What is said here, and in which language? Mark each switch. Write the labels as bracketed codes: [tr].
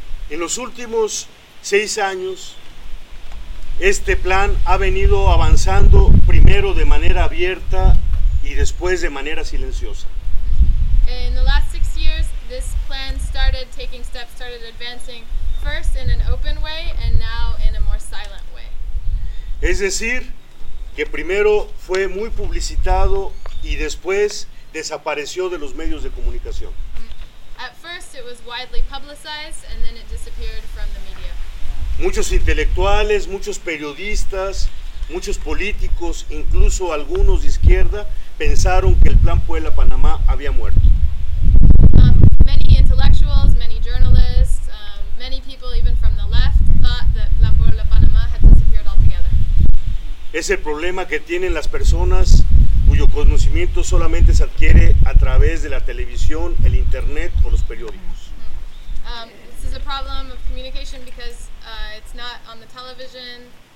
[es] En los últimos 6 años, este plan ha venido avanzando primero de manera abierta y después de manera silenciosa. [en] In the last 6 years, this plan started taking steps, started advancing first in an open way and now in a more silent way. [es] Es decir, que primero fue muy publicitado y después desapareció de los medios de comunicación. [en] At first it was widely publicized and then it disappeared from the media. [es] Muchos intelectuales, muchos periodistas, muchos políticos, incluso algunos de izquierda, pensaron que el Plan Puebla Panamá había muerto. [en] Many intellectuals, many journalists, many people even from the left thought that Plan Puebla Panamá had disappeared altogether. [es] Es el problema que tienen las personas cuyo conocimiento solamente se adquiere a través de la televisión, el internet o los periódicos. [en] This is a problem of communication because it's not on the television.